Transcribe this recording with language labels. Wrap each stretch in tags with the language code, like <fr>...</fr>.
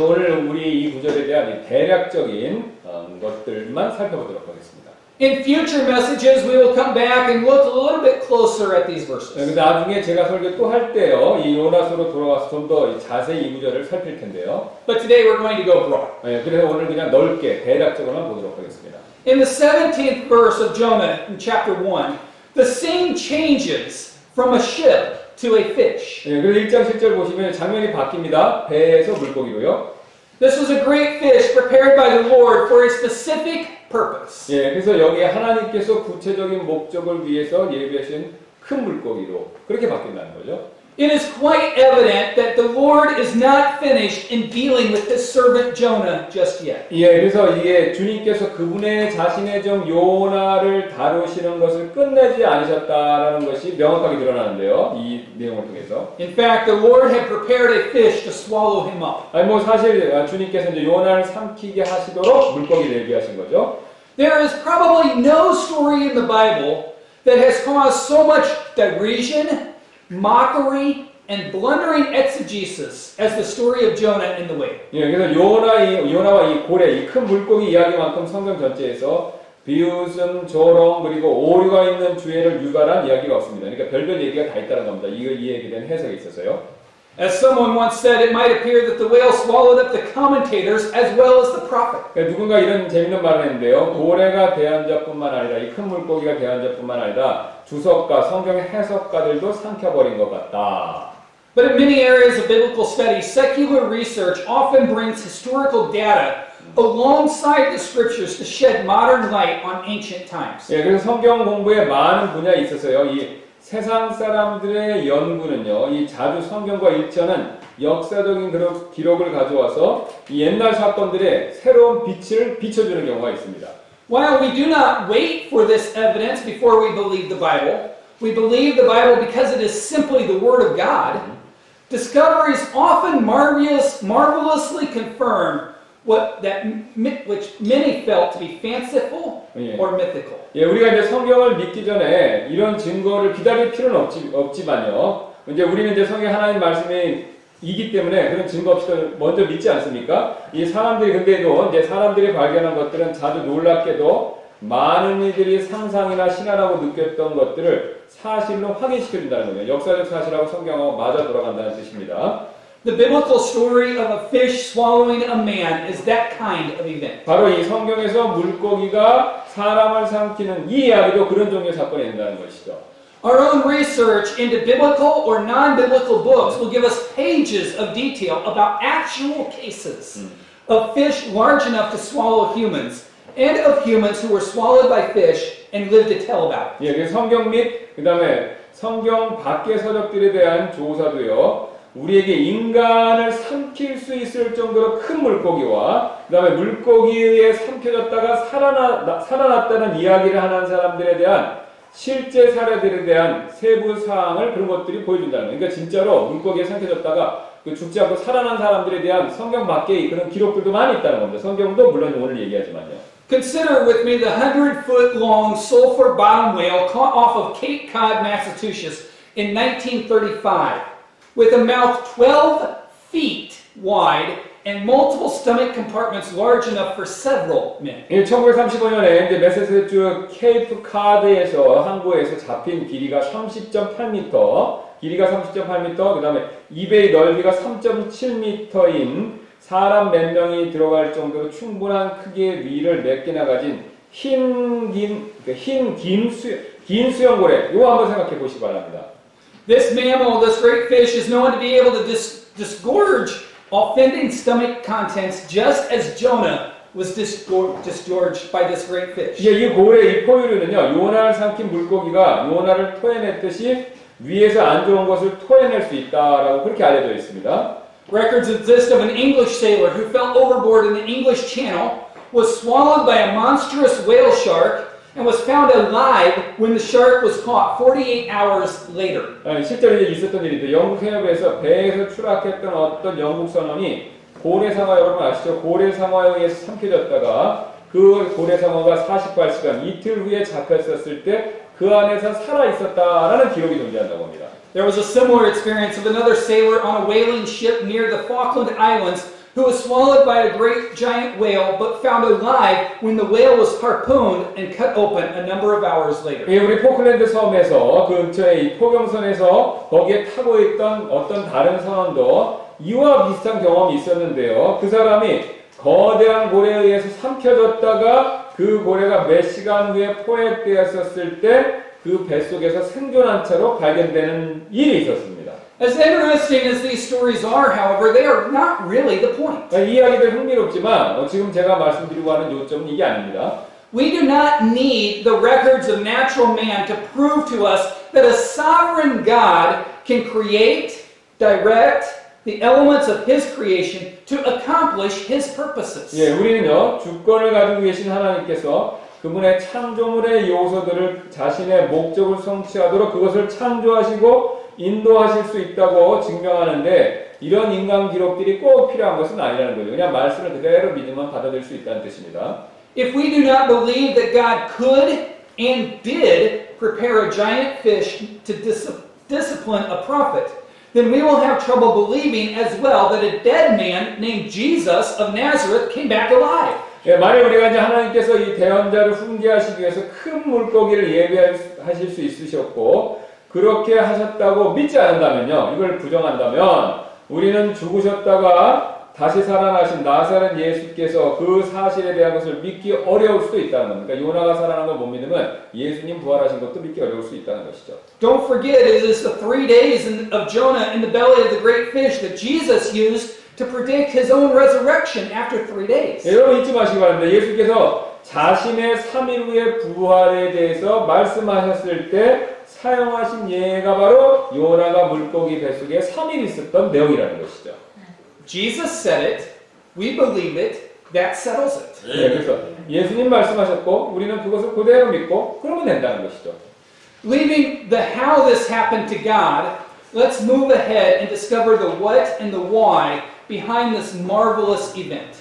<ko>오늘은 우리 이 구절에 대한 대략적인 것들만 살펴보도록 하겠습니다.</ko> <en>In future messages, we will come back and look a little bit closer at these verses.</en> <ko>나중에 제가 설교 또 할 때요, 이 요나서로 돌아와서 좀 더 자세히 이 구절을 살필 텐데요.</ko> <en>But today we're going to go broad.</en> <ko>네, 그래서 오늘 그냥 넓게 대략적으로만 보도록 하겠습니다.</ko> <en>In the 17th verse of Jonah in chapter 1, the scene changes from a ship to a fish.</en> <ko>네, 그래서 1장 1절 보시면 장면이 바뀝니다. 배에서 물고기고요.</ko> <en>This was a great fish prepared by the Lord for a specific purpose.</en> <ko>예, 그래서 여기에 하나님께서 구체적인 목적을 위해서 예비하신 큰 물고기로 그렇게 바뀐다는 거죠.</ko> <en>It is quite evident that the Lord is not finished in dealing with his servant Jonah just yet.</en> <ko>예, 그래서 이게 주님께서 그분의 자신의 종 요나를 다루시는 것을 끝내지 않으셨다라는 것이 명확하게 드러나는데요. 이 내용을 통해서.</ko> <en>In fact, the Lord had prepared a fish to swallow him up.</en> <ko>아니, 뭐 사실 주님께서 이제 요나를 삼키게 하시도록 물고기를 예비하신 거죠.</ko> <en>There is probably no story in the Bible that has caused so much derision, mockery and blundering exegesis as the story of Jonah in the whale.</en> <ko>예, 그래서 요나와 이 고래, 이 큰 물고기 이야기만큼 성경 전체에서 비웃음, 조롱, 그리고 오류가 있는 주애를 유발한 이야기가 없습니다. 그러니까 별별 얘기가 다 있다는 겁니다. 이 얘기에 대한 해석이 있어서요.</ko> <en>As someone once said, it might appear that the whale swallowed up the commentators as well as the prophet.</en> <ko>그러니까 누군가 이런 재밌는 말을 했는데요. 고래가 대안자뿐만 아니라, 이 큰 물고기가 대안자뿐만 아니라, 주석가, 성경 해석가들도 삼켜버린 것 같다.</ko> <en>But in many areas of biblical study, secular research often brings historical data alongside the scriptures to shed modern light on ancient times.</en> <ko>예, 그리고 성경 공부에 많은 분야에 있어서요. 이 세상 사람들의 연구는요. 이 자주 성경과 일치하는 역사적인 그런 기록을 가져와서 이 옛날 사건들의 새로운 빛을 비춰주는 경우가 있습니다.</ko> <en>While we do not wait for this evidence before we believe the Bible, we believe the Bible because it is simply the Word of God, discoveries often marvelously confirm which many felt to be fanciful or mythical.</en> <ko>예, 우리가 이제 성경을 믿기 전에 이런 증거를 기다릴 필요는 없지만요. 이제 우리는 이제 성경 하나님 말씀이기 때문에 그런 증거 없이도 먼저 믿지 않습니까? 이 사람들이 근데도 이제 사람들이 발견한 것들은 자주 놀랍게도 많은 이들이 상상이나 신화라고 느꼈던 것들을 사실로 확인시켜준다는 거예요. 역사적 사실하고 성경하고 맞아 돌아간다는 뜻입니다.</ko> <en>The biblical story of a fish swallowing a man is that kind of event.</en> <ko>바로 이 성경에서 물고기가 사람을 삼키는 이 이야기도 그런 종류의 사건이 된다는 것이죠.</ko> <en>Our own research into biblical or non-biblical books will give us pages of detail about actual cases of fish large enough to swallow humans and of humans who were swallowed by fish and lived to tell about</en> <ko>it. 예, 그 성경 및 그다음에 성경 밖의 서적들에 대한 조사도요. 우리에게 인간을 삼킬 수 있을 정도로 큰 물고기와 그다음에 물고기에 의해 삼켜졌다가 살아났다는 이야기를 하는 사람들에 대한 실제 사례들에 대한 세부 사항을 그런 것들이 보여준다는 거예요. 그러니까 진짜로 물고기에 삼켜졌다가 그 죽지 않고 살아난 사람들에 대한 성경 밖의 그런 기록들도 많이 있다는 겁니다. 성경도 물론 오늘 얘기하지만요.</ko> <en>Consider with me the 100-foot-long sulfur bottom whale caught off of Cape Cod, Massachusetts in 1935. With a mouth 12 feet wide and multiple stomach compartments large enough for several men.</en> <ko>1935년에 이제 매사추세츠 케이프 카드에서 항구에서 잡힌 길이가 30.8m, 길이가 30.8m, 그다음에 입의 넓이가 3.7m인 사람 몇 명이 들어갈 정도로 충분한 크기의 위를 몇 개나 가진 긴 수영 고래. 요 한번 생각해 보시기 바랍니다.</ko> <en>This mammal, this great fish, is known to be able to disgorge offending stomach contents just as Jonah was disgorged by this great fish.</en> <ko>예, 이 고래, 이 포유류는요, 요나를 삼킨 물고기가 요나를 토해냈듯이 위에서 안 좋은 것을 토해낼 수 있다라고 그렇게 알려져 있습니다.</ko> <en>Records exist of an English sailor who fell overboard in the English Channel, was swallowed by a monstrous whale shark, and was found alive when the shark was caught 48 hours later.</en> <ko>실제로 이제 있었던 일인데 영국 해협에서 배에서 추락했던 어떤 영국 선원이 고래 상어 여러분 아시죠? 고래 상어에 의해 삼켜졌다가 그 고래 상어가 48시간 이틀 후에 잡혔었을 때 그 안에서 살아 있었다라는 기록이 존재한다고 합니다.</ko> <en>There was a similar experience of another sailor on a whaling ship near the Falkland Islands who was swallowed by a great giant whale but found alive when the whale was harpooned and cut open a number of hours later.</en> <ko>예, 우리 포클랜드 섬에서 그 근처의 포경선에서 거기에 타고 있던 어떤 다른 선원도 이와 비슷한 경험이 있었는데요. 그 사람이 거대한 고래에 의해서 삼켜졌다가 그 고래가 몇 시간 후에 포획되었을 때 그 뱃속에서 생존한 채로 발견되는 일이 있었습니다.</ko> <en>As interesting as these stories are, however, they are not really the point.</en> <ko>이야기들 흥미롭지만 지금 제가 말씀드리고 하는 요점은 이게 아닙니다.</ko> <en>We do not need the records of natural man to prove to us that a sovereign God can create, direct the elements of His creation to accomplish His purposes.</en> <ko>예, 우리는요 주권을 가지고 계신 하나님께서 그분의 창조물의 요소들을 자신의 목적을 성취하도록 그것을 창조하시고 인도하실 수 있다고 증명하는데 이런 인간 기록들이 꼭 필요한 것은 아니라는 거죠. 그냥 말씀을 그대로 믿으면 받아들일 수 있다는 뜻입니다.</ko> <en>If we do not believe that God could and did prepare a giant fish to discipline a prophet, then we will have trouble believing as well that a dead man named Jesus of Nazareth came back alive.</en> <ko>예, 만약 우리가 이제 하나님께서 이 대언자를 훈계하시기 위해서 큰 물고기를 예비하실 수 있으셨고 그렇게 하셨다고 믿지 않는다면요, 이걸 부정한다면 우리는 죽으셨다가 다시 살아나신 나사렛 예수께서 그 사실에 대한 것을 믿기 어려울 수도 있다는 겁니다. 그러니까 요나가 살아난 걸 못 믿으면 예수님 부활하신 것도 믿기 어려울 수 있다는 것이죠.</ko> <en>Don't forget it is the 3 days of Jonah in the belly of the great fish that Jesus used to predict his own resurrection after 3 days.</en> <ko>예, 여러분 잊지 마시기 바랍니다. 예수께서 자신의 3일 후의 부활에 대해서 말씀하셨을 때 사용하신 예가 바로 요나가 물고기 뱃속에 3일 있었던 내용이라는 것이죠.</ko> <en>Jesus said it. We believe it. That settles it.</en> <ko>예, 그래서 예수님 말씀하셨고 우리는 그것을 그대로 믿고 그러면 된다는 것이죠.</ko> <en>Leaving the how this happened to God, let's move ahead and discover the what and the why behind this marvelous event.</en>